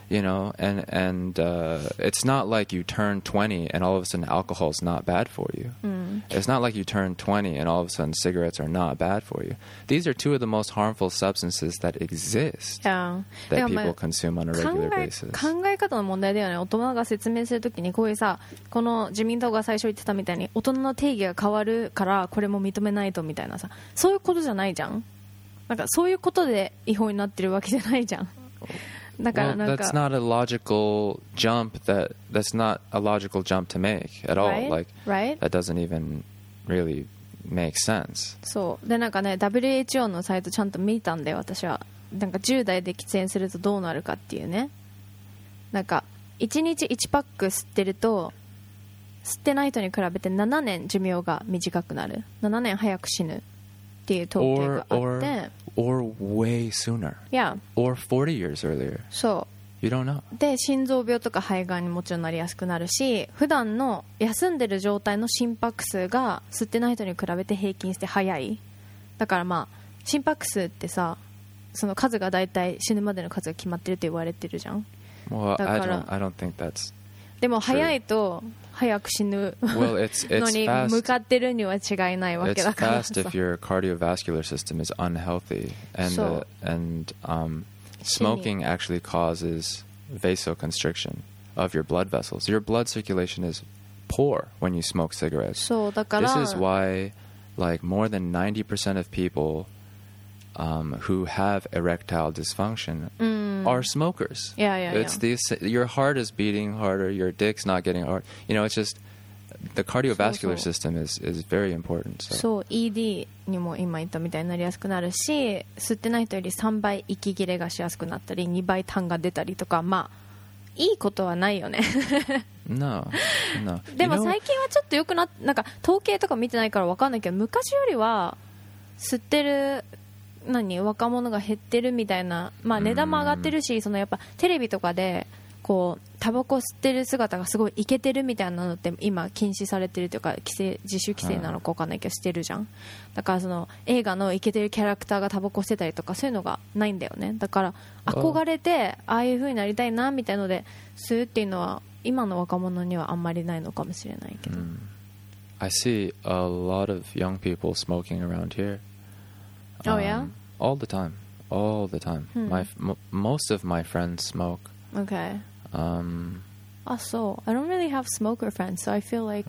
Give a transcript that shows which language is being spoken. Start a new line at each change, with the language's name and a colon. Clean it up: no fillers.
English: You know, and it's not like you turn 20 and all of a sudden alcohol is not bad for you. It's not like you turn 20 and all of a sudden cigarettes are not bad for you. These are two of the most harmful substances that exist that people consume on a regular basis.
Japanese: 考え方の問題だよね。大人が説明するときに、こういうさ、この自民党が最初言ってたみたいに、大人の定義が変わるからこれも認めないとみたいなさ、そういうことじゃないじゃん。なんかそういうことで違法になってるわけじゃないじゃん。だからなんか、
English: well, that's not a logical jump. That's not a logical jump to make at all. Right? Like, right? That doesn't even really makes sense.
Japanese: そう。で、なんかね、WHO のサイトちゃんと見たんだよ、私は。なんか10代で喫煙するとどうなるかっていうね。なんか、1日1パック吸ってると、吸ってない人に比べて7年寿命が短くなる。 7年早く死ぬ。っていう統計があって。
English: Or way sooner. Yeah. Or 40 years earlier.
Japanese: そう。
English: You don't know.
Japanese: で、心臓病とか肺がんにもちろんなりやすくなるし、普段の休んでる状態の心拍数が吸ってない人に比べて平均して早い。だからまあ、心拍数ってさ、その数がだいたい死ぬまでの数が決まってるって言われてるじゃん。
English: Well,
Japanese: だから
English: I don't think that's true.
Japanese: でも早いと早く死ぬのに向かってるには違いないわけだからさ。
English: It's fast if your cardiovascular system is unhealthy. And, smoking actually causes vasoconstriction of your blood vessels. Your blood circulation is poor when you smoke cigarettes.
Japanese: そうだから。
English: This is why like more than 90% of people who have erectile dysfunction are smokers. Yeah. It's these, your heart is beating harder, your dick's not getting hard. You know, it's just the cardiovascular system is very important.
Japanese: So ED にも今言ったみたいになりやすくなるし、吸ってない人より3倍息切れがしやすくなったり、2倍痰が出たりとか、まあいいことはないよね。
English: No.
Japanese: でも最近はちょっと良くなっ、なんか統計とか見てないから分かんないけど、昔よりは吸ってる何若者が減ってるみたいな、まあ、値段も上がってるし、そのやっぱテレビとかでこうタバコ吸ってる姿がすごいイケてるみたいなのって今禁止されてるというか、規制、自主規制なのか分かんないけどしてるじゃん。だからその映画のイケてるキャラクターがタバコ吸ってたりとかそういうのがないんだよね。だから憧れてああいう風になりたいなみたいので吸うっていうのは今の若者にはあんまりないのかもしれないけど、
English: I see a lot of young people smoking around here Oh, yeah? All the time.、Hmm. Most of my friends smoke. Okay. Also, I don't really have smoker friends, so I feel like、